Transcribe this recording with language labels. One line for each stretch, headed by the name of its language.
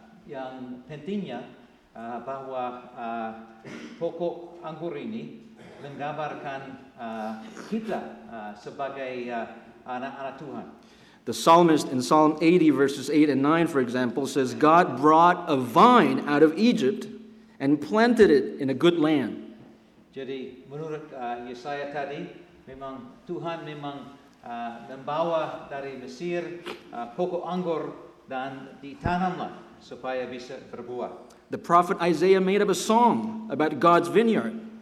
Indonesian: Yang pentingnya bahwa pokok anggur ini menggambarkan kita sebagai anak-anak Tuhan.
English: The psalmist in Psalm 80, verses 8 and 9, for example, says, God brought a vine out of Egypt and planted it in a good land.
Indonesian: Jadi menurut Yesaya tadi, memang Tuhan memang membawa dari Mesir pokok anggur dan ditanamlah supaya bisa berbuah.
English: The prophet Isaiah made up a song about God's vineyard.